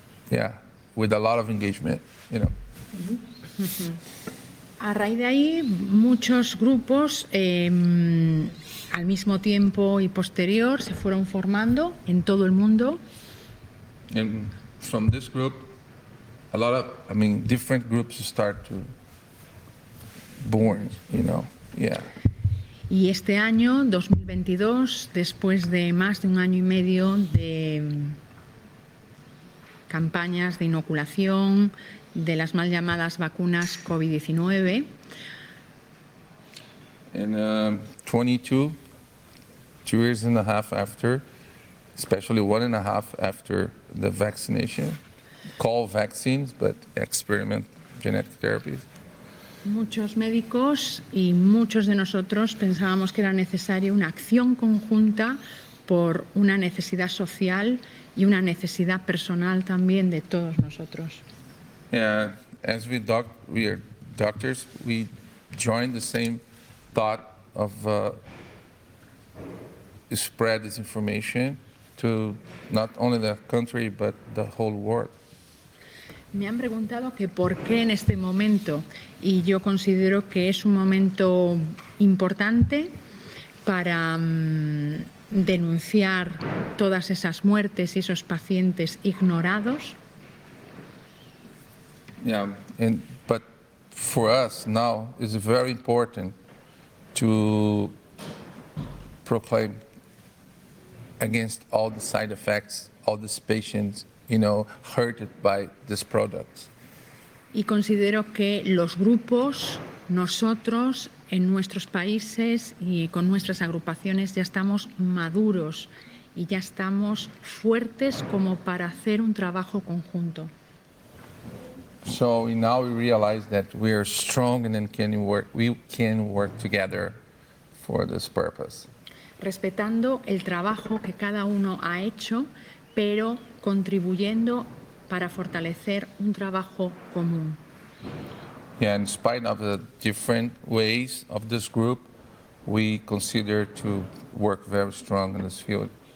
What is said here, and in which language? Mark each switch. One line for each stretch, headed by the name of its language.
English: Yeah, with a lot of engagement, you know.
Spanish: A raíz de ahí, muchos grupos al mismo tiempo y posterior se fueron formando en todo el mundo.
English: And from this group, a lot of, I mean, different groups start to born, you know, yeah.
Spanish: Y este año, 2022, después de más de un año y medio de campañas de inoculación de las mal llamadas vacunas COVID-19.
English: In 22, 2.5 years after, especially 1.5 after the vaccination, call vaccines, but experiment genetic therapies.
Spanish: Muchos médicos y muchos de nosotros pensábamos que era necesaria una acción conjunta por una necesidad social y una necesidad personal también de todos nosotros.
English: Yeah, as we are doctors, we join the same thought of spread this information to not only the country but the whole world.
Spanish: Me han preguntado que por qué en este momento, y yo considero que es un momento importante para denunciar todas esas muertes y esos pacientes ignorados.
English: Yeah, and but for us now is very important to proclaim against all the side effects, all these patients, you know, hurt by this product.
Spanish: Y considero que los grupos, nosotros, en nuestros países y con nuestras agrupaciones, ya estamos maduros y ya estamos fuertes como para hacer un trabajo conjunto.
English: So now we realize that we are strong and can work together for this purpose.
Spanish: Respetando el trabajo que cada uno ha hecho, pero contribuyendo para fortalecer un trabajo común.
English: Yeah, in spite of the different ways of this group, we consider to work very strong in this field.